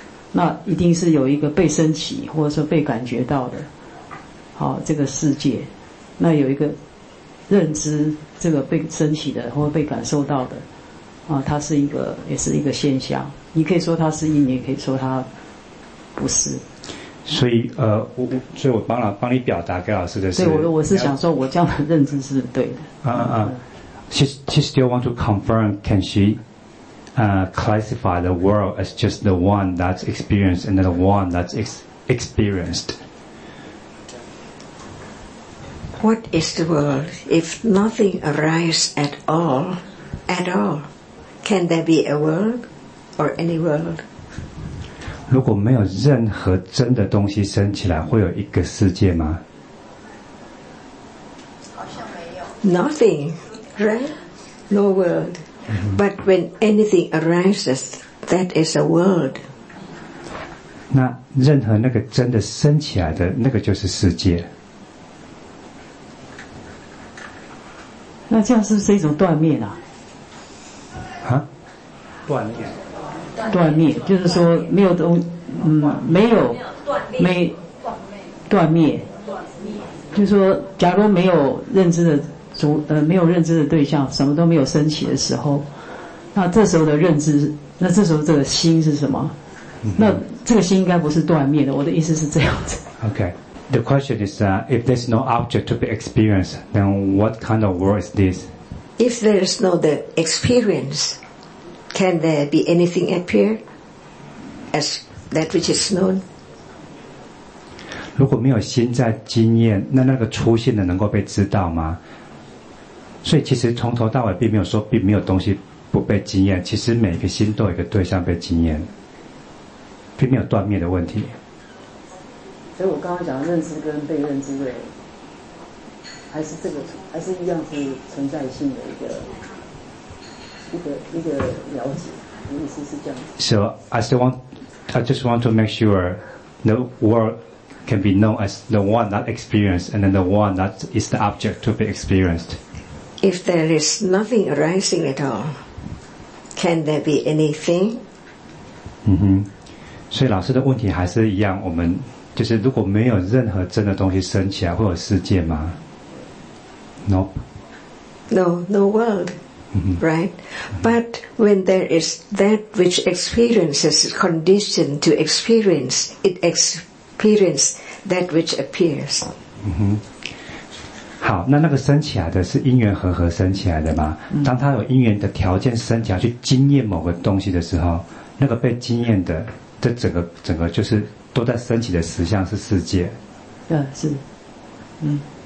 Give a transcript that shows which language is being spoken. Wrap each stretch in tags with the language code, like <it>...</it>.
<zh>那一定是有一个被升起，或者说被感觉到的，好，这个世界，那有一个认知，这个被升起的或被感受到的。啊，它是一个，也是一个现象。你可以说它是因，也可以说它不是。所以，所以我帮你表达给老师的是。对，我是想说，我这样的认知是对的。</zh> <en>She still want to confirm. Can she, classify the world as just the one that's experienced and the one that's experienced? What is the world if nothing arises at all, at all? Can there be a world or any world?</en> <zh>如果没有任何真的东西生起来，会有一个世界吗？好像没有。</zh> <en>Nothing, right? No world.、Mm-hmm. But when anything arises, that is a world.</en> <zh>那任何那个真的生起来的那个就是世界。那这样是不是一种断灭啊？断灭就是说没有东没有没断灭，就是说假如没有认知的没有认知的对象，什么都没有升起的时候，那这时候的认知，那这时候这个心是什么？那这个心应该不是断灭的，我的意思是这样子。</zh> <en>OK, the question is if there's no object to be experienced, then what kind of world is this? If there is no the experienceCan there be anything appear as that which is known?</en> <zh>如果没有心在经验，那那个出现的能够被知道吗？所以其实从头到尾并没有说并没有东西不被经验，其实每个心都有一个对象被经验，并没有断灭的问题。所以我刚刚讲认知跟被认知的，还是这个，还是一样是存在性的一个了解，我意思是这样子。</zh> <en>So I just want to make sure the world can be known as the one that experienced, and then the one that is the object to be experienced. If there is nothing arising at all, can there be anything?</en> <zh>嗯哼，所以老师的问题还是一样，我们就是如果没有任何真的东西升起来，会有世界吗 ？</zh> <en>Nope. No, no world. Mm-hmm. Right? But when there is that which experiences conditioned to experience, it experiences that which appears. Mm-hmm.</en> <zh>好，那那个升起来的是因缘和合升起来的吗？当它有因缘的条件升起来去经验某个东西的时候，那个被经验的这整个就是都在升起的实相是世界。对，是。嗯。</zh>